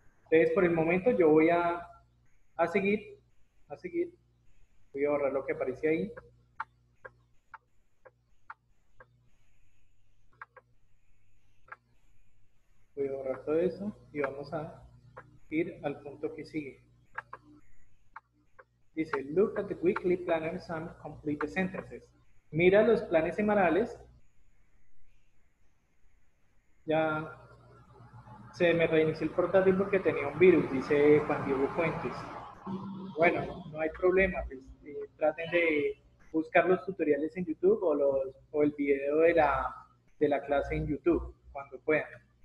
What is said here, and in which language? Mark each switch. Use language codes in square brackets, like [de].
[es] Entonces, por el momento yo voy a seguir, voy a borrar lo que aparece ahí. Voy a borrar todo eso y vamos a ir al punto que sigue. Dice, [en] look at the weekly planners and complete the sentences. [es] Mira los planes semanales. Ya se me reinició el portátil porque tenía un virus, dice Juan Diego Fuentes. Bueno, no hay problema. Pues, traten de buscar los tutoriales en YouTube o el video de la clase en YouTube cuando puedan.